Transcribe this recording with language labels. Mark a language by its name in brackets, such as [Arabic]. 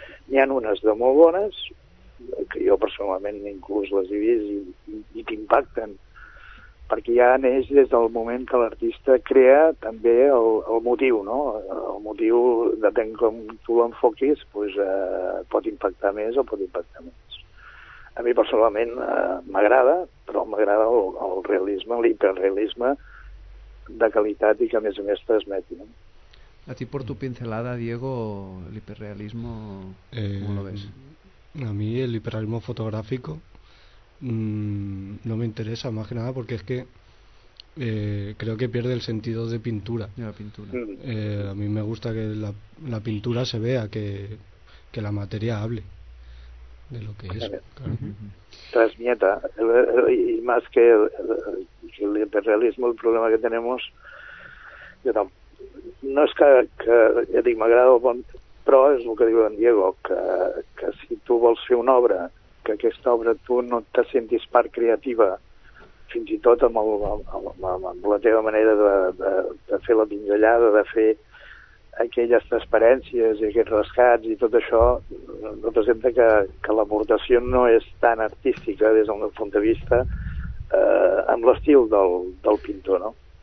[Catalan] N'hi ha unes de molt bones, que jo personalment inclús les he vist i t'impacten, perquè ja neix des del moment que l'artista crea també el motiu, no? El motiu, depèn com tu l'enfoquis, pot impactar més o pot impactar menys. A mi personalment m'agrada, però m'agrada el realisme, l'hiperrealisme de qualitat i que a més transmeti, no? [Spanish] A ti por tu pincelada, Diego, el hiperrealismo, ¿cómo lo ves? A mí el hiperrealismo fotográfico no me interesa más que nada, porque es que creo que pierde el sentido de pintura. De la pintura. A mí me gusta que la pintura se vea, que la materia hable de lo que es. Claro. Transmieta. Y más que el hiperrealismo, el problema que tenemos, yo tampoco. [Catalan] No és que ja dic, m'agrada el bon, però és el que diu en Diego, que si tu vols fer una obra, que aquesta obra tu no te sentis part creativa, fins i tot amb la teva manera de fer la pinzellada, de fer aquelles transparències i aquests rescats i tot això, representa que l'aportació no és tan artística des del meu punt de vista amb l'estil del pintor, no?